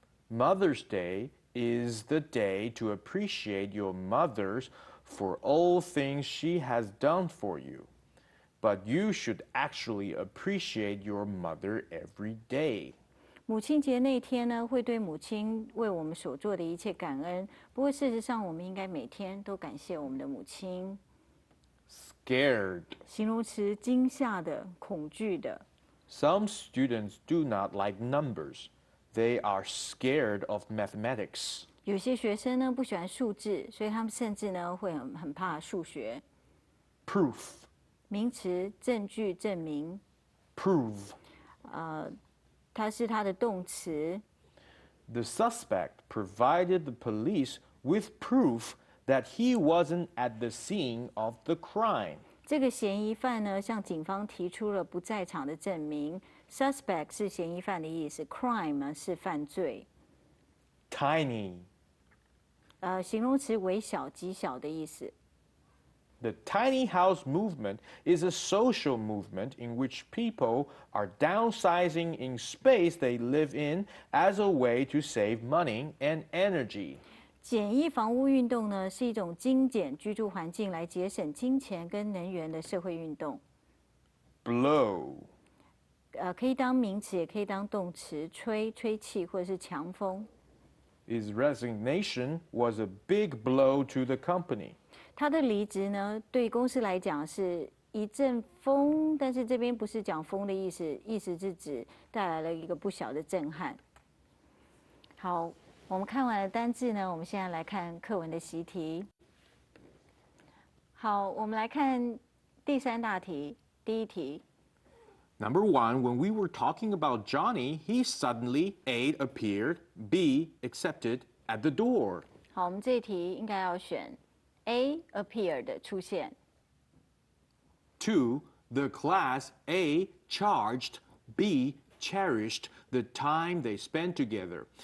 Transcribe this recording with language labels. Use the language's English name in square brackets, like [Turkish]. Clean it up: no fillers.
[English] Mother's Day is the day to appreciate your mother for all things she has done for you. But you should actually appreciate your mother every day. [Chinese] 母亲节那天呢，会对母亲为我们所做的一切感恩。不过，事实上，我们应该每天都感谢我们的母亲。 [English] scared. [Chinese] 形容词惊吓的、恐惧的。 [English] Some students do not like numbers. They are scared of mathematics. [Chinese] 有些学生呢不喜欢数字，所以他们甚至呢会很怕数学。 [English] Proof. [Chinese] 名词，证据、证明。 [English] Prove. [Chinese] 它是它的动词。 [English] The suspect provided the police with proof that he wasn't at the scene of the crime. [Chinese] 这个嫌疑犯呢，向警方提出了不在场的证明。 Suspect 是嫌疑犯的意思 ，crime 是犯罪。 [English] Tiny. [Chinese] 形容词，微小、极小的意思。 [English] The tiny house movement is a social movement in which people are downsizing in space they live in as a way to save money and energy. [Chinese] 简易房屋运动呢是一种精简居住环境来节省金钱跟能源的社会运动。 [English] Blow. [Chinese] 可以当名词也可以当动词，吹，吹气或者是强风。 [English] His resignation was a big blow to the company. [Chinese] 他的离职呢，对公司来讲是一阵风，但是这边不是讲风的意思，意思是指带来了一个不小的震撼。好，我们看完了单字呢，我们现在来看课文的习题。好，我们来看第三大题，第一题。 [English] Number one, when we were talking about Johnny, he suddenly A appeared, B accepted at the door. [Chinese] 好，我们这一题应该要选 A appeared 出现。 [English] Two, the class A charged, B cherished the time they spent together.